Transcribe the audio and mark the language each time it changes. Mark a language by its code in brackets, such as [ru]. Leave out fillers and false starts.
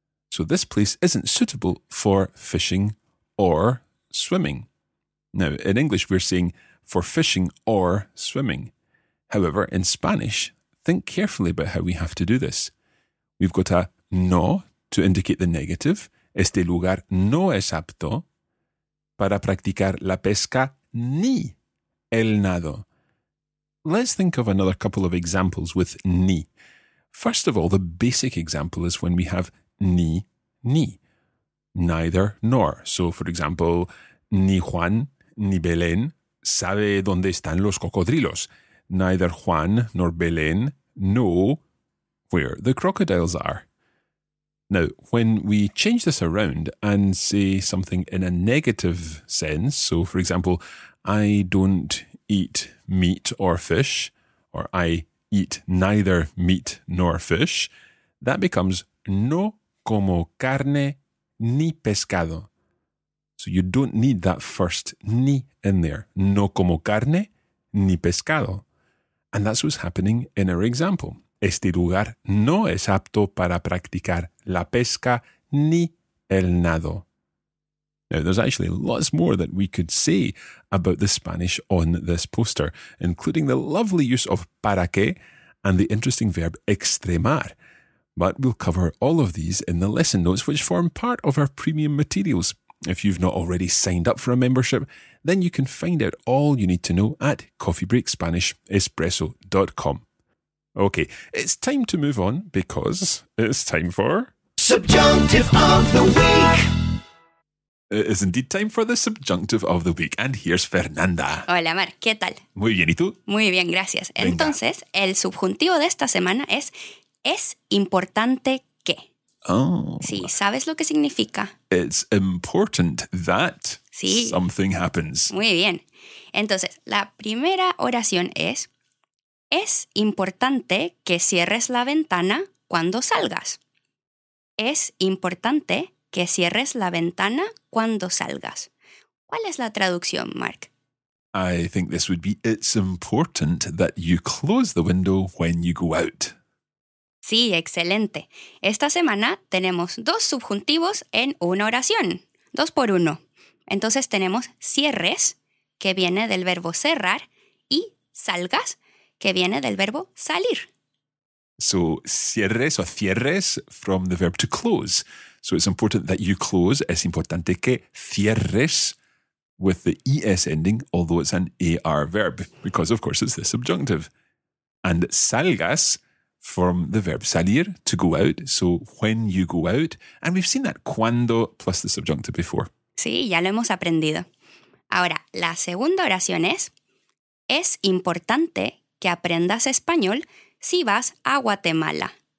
[en] So this place isn't suitable for fishing or swimming. Now, in English, we're saying for fishing or swimming. However, in Spanish, think carefully about how we have to do this. We've got a no to indicate the negative. [es] Este lugar no es apto para practicar la pesca ni el nado. [en] Let's think of another couple of examples with ni. First of all, the basic example is when we have ni, ni. Neither nor. So, for example, [es] ni Juan ni Belén sabe dónde están los cocodrilos. [en] Neither Juan nor Belén know where the crocodiles are. Now, when we change this around and say something in a negative sense, so for example, I don't eat meat or fish, or I eat neither meat nor fish, that becomes [es] no como carne ni pescado. [en] So you don't need that first ni in there. [es] No como carne ni pescado. [en] And that's what's happening in our example. [es] Este lugar no es apto para practicar la pesca ni el nado. [en] Now, there's actually lots more that we could say about the Spanish on this poster, including the lovely use of para qué and the interesting verb extremar. But we'll cover all of these in the lesson notes, which form part of our premium materials. If you've not already signed up for a membership, then you can find out all you need to know at coffeebreakspanishespresso.com. Okay, it's time to move on because it's time for... Subjunctive of the Week! It is indeed time for the Subjunctive of the Week. And here's Fernanda. [es] Hola, Mar. ¿Qué tal? Muy bien, ¿y tú? Muy bien, gracias. Venga. Entonces, el subjuntivo de esta semana es importante que. Oh. Sí, ¿sabes lo que significa? [en] It's important that [es] sí. [en] Something happens. [es] Muy bien. Entonces, la primera oración es... Es importante que cierres la ventana cuando salgas. Es importante que cierres la ventana cuando salgas. ¿Cuál es la traducción, Mark? [en] I think this would be it's important that you close the window when you go out. [es] Sí, excelente. Esta semana tenemos dos subjuntivos en una oración. Dos por uno. Entonces tenemos cierres, que viene del verbo cerrar, y salgas, que viene del verbo salir. [en] So, cierres o cierres from the verb to close. So, it's important that you close. [es] Es importante que cierres [en] with the ES ending, although it's an AR verb, because, of course, it's the subjunctive. And salgas from the verb salir, to go out. So, when you go out. And we've seen that cuando plus the subjunctive before. [es] Sí, ya lo hemos aprendido. Ahora, la segunda oración es importante que aprendas español si vas a Guatemala.